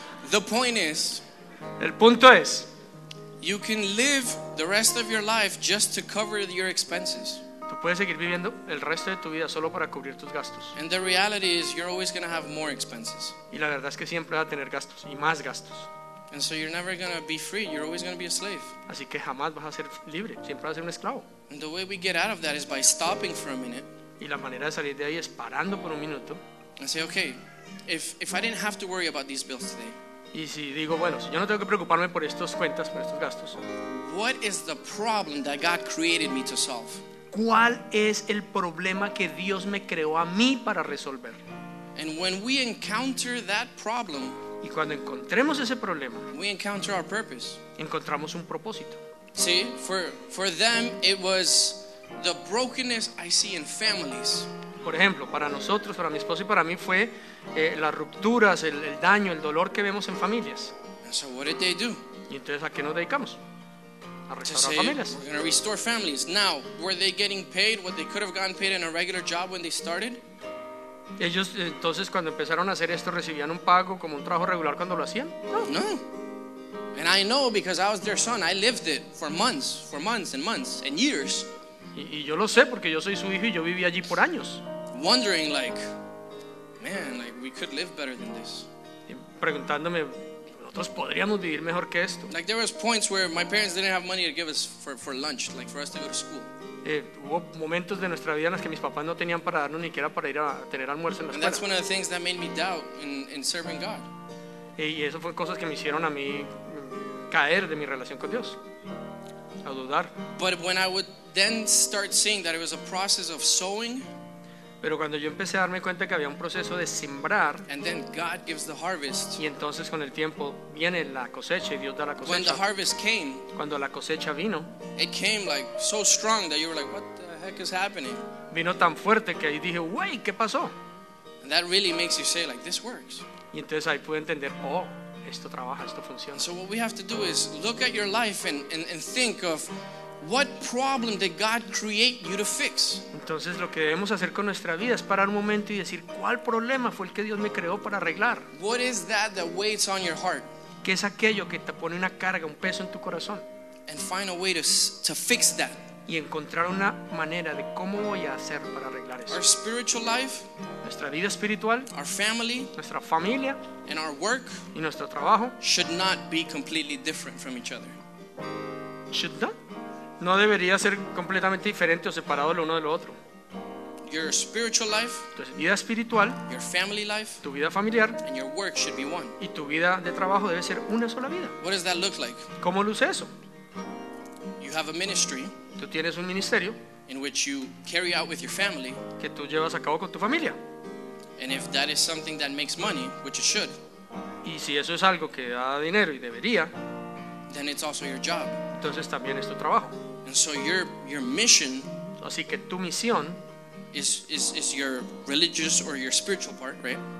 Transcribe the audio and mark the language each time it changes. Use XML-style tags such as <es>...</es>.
<en>The point is.</en> <es>El punto es.</es> <en>You can live the rest of your life just to cover your expenses.</en> <es>Tú puedes seguir viviendo el resto de tu vida solo para cubrir tus gastos.</es> <en>And the reality is you're always going to have more expenses.</en> <es>Y la verdad es que siempre vas a tener gastos y más gastos.</es> <en>And so you're never going to be free, you're always going to be a slave.</en> <es>Así que jamás vas a ser libre, siempre vas a ser un esclavo.</es> <en>And the way we get out of that is by stopping for a minute.</en> <es>Y la manera de salir de ahí es parando por un minuto.</es> <en>And say, okay, if I didn't have to worry about these bills today.</en> <es>Y si digo, bueno, si yo no tengo que preocuparme por estas cuentas, por estos gastos.</es> <en>What is the problem that God created me to solve?</en> <es>¿Cuál es el problema que Dios me creó a mí para resolver?</es> <en>And when we encounter that problem,</en> <es>y cuando encontremos ese problema,</es> <en>we encounter our purpose.</en> <es>Encontramos un propósito.</es> <en>See, for them it was the brokenness I see in families.</en> <es>Por ejemplo, para nosotros, para mi esposo y para mí fue las rupturas, el daño, el dolor que vemos en familias.</es> <en>And so what did they do?</en> <es>¿Y entonces a qué nos dedicamos? A restaurar familias.</es> <en>We're going to restore families. Now, were they getting paid what they could have gotten paid in a regular job when they started?</en> <es>Ellos entonces cuando empezaron a hacer esto recibían un pago como un trabajo regular cuando lo hacían? No.</es> <en>And I know because I was their son. I lived it for months and months and years.</en> <es>Y yo lo sé porque yo soy su hijo y yo viví allí por años.</es> <en>Wondering like, man, like we could live better than this.</en> <es>Y preguntándome, nosotros podríamos vivir mejor que esto.</es> <en>Like there was points where my parents didn't have money to give us for lunch, like for us to go to school.</en> <es>Hubo momentos de nuestra vida en las que mis papás no tenían para darnos ni siquiera para ir a tener almuerzo en la escuela.</es> <en>And that's one of the things that made me doubt in serving God.</en> <es>Y eso fue cosas que me hicieron a mí caer de mi relación con Dios, a dudar.</es> <en>But when I would then start seeing that it was a process of sowing.</en> <es>Pero cuando yo empecé a darme cuenta que había un proceso de sembrar,</es> <en>and then God gives the harvest.</en> <es>Y entonces con el tiempo viene la cosecha y Dios da la cosecha.</es> <en>When the harvest came,</en> <es>cuando la cosecha vino,</es> <en>it came like so strong that you were like, what the heck is happening?</en> <es>Vino tan fuerte que ahí dije, wey, ¿qué pasó?</es> <en>And that really makes you say like, this works.</en> <es>Y entonces ahí pude entender, oh, esto trabaja, esto funciona.</es> <en>So what we have to do is look at your life and think of What problem did God create you to fix?</en> <es>Entonces lo que debemos hacer con nuestra vida es parar un momento y decir ¿cuál problema fue el que Dios me creó para arreglar?</es> <en>What is that that weighs on your heart?</en> <es>¿Qué es aquello que te pone una carga, un peso en tu corazón?</es> <en>And find a way to fix that.</en> <es>Y encontrar una manera de cómo voy a hacer para arreglar eso.</es> <en>Our spiritual life,</en> <es>nuestra vida espiritual,</es> <en>our family,</en> <es>nuestra familia,</es> <en>and our work,</en> <es>y nuestro trabajo,</es> <en>should not be completely different from each other. Should not?</en> <es>No debería ser completamente diferente o separado el uno del otro.</es> <en>Your spiritual life,</en> <es>entonces, vida espiritual,</es> <en>your family life,</en> <es>tu vida familiar,</es> <en>and your work should be one.</en> <es>Y tu vida de trabajo debe ser una sola vida.</es> <en>What does that look like?</en> <es>¿Cómo luce eso?</es> <en>You have a ministry.</en> <es>Tú tienes un ministerio</es> <en>in which you carry out with your family.</en> <es>Que tú llevas a cabo con tu familia.</es> <en>And if that is something that makes money, which it should.</en> <es>Y si eso es algo que da dinero y debería,</es> <en>then it's also your job.</en> <es>Entonces también es tu trabajo.</es> <en>And so your mission,</en> <es>así que tu misión,</es> <en>is your religious or your spiritual part, right?</en>